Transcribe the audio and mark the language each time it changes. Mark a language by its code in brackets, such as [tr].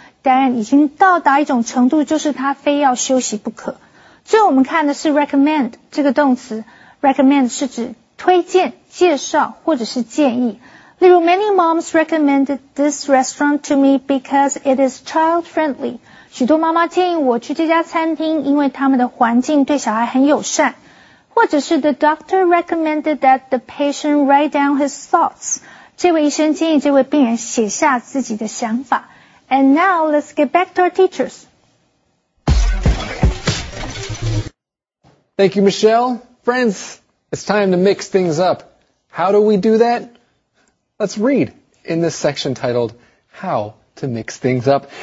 [zh] Diane 已经到达一种程度，就是她非要休息不可。最后我们看的是 recommend 这个动词 ，recommend 是指推荐、介绍或者是建议。例如 [en] ，Many moms recommended this restaurant to me because it is child friendly. [zh] 许多妈妈建议我去这家餐厅，因为他们的环境对小孩很友善。或者是 [en] The doctor recommended that the patient write down his thoughts. [zh] 这位医生建议这位病人写下自己的想法。 [en] And now let's get back to our teachers. Thank you, Michelle. Friends, it's time to mix things up. How do we do that? Let's read in this section titled, How to Mix Things Up.